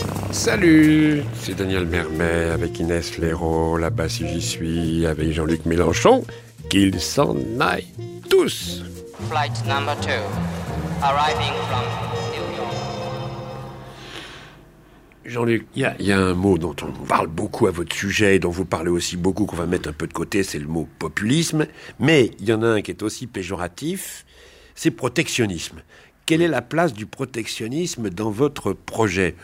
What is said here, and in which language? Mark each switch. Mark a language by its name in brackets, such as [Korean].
[French] Salut, c'est Daniel Mermet avec Inès Leroy, là-bas si j'y suis, avec Jean-Luc Mélenchon, qu'ils s'en aillent tous. [English] Flight number 2, arriving from New York. [French] Jean-Luc, il y a un mot dont on parle beaucoup à votre sujet et dont vous parlez aussi beaucoup qu'on va mettre un peu de côté, c'est le mot populisme, mais il y en a un qui est aussi péjoratif, c'est protectionnisme. Quelle est la place du protectionnisme dans votre projet?